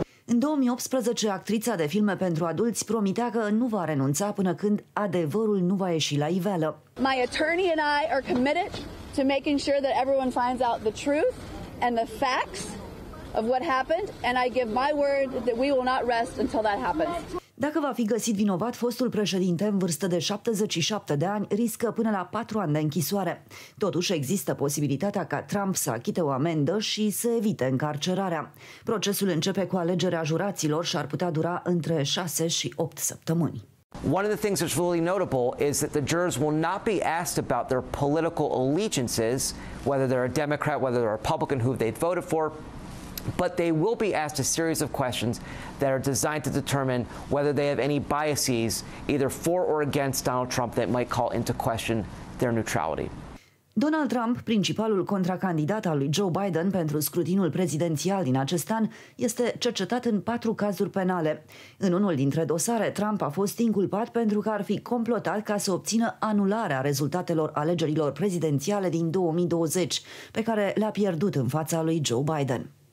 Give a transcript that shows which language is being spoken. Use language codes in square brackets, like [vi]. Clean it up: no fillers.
[ro] În 2018, actrița de filme pentru adulți promitea că nu va renunța până când adevărul nu va ieși la iveală. [en] My attorney and I are committed to making sure that everyone finds out the truth and the facts of what happened, and I give my word that we will not rest until that happens. [ro] Dacă va fi găsit vinovat, fostul președinte, în vârstă de 77 de ani, riscă până la 4 ani de închisoare. Totuși, există posibilitatea ca Trump să achite o amendă și să evite încarcerarea. Procesul începe cu alegerea juraților și ar putea dura între 6 și 8 săptămâni. [en] One of the things that's really notable is that the jurors will not be asked about their political allegiances, whether they're a Democrat, whether they're a Republican, who they've voted for. But they will be asked a series of questions that are designed to determine whether they have any biases, either for or against Donald Trump, that might call into question their neutrality. [ro] Donald Trump, principalul contracandidat al lui Joe Biden pentru scrutinul prezidențial din acest an, este cercetat în 4 cazuri penale. În unul dintre dosare, Trump a fost inculpat pentru că ar fi complotat ca să obțină anularea rezultatelor alegerilor prezidențiale din 2020, pe care le-a pierdut în fața lui Joe Biden.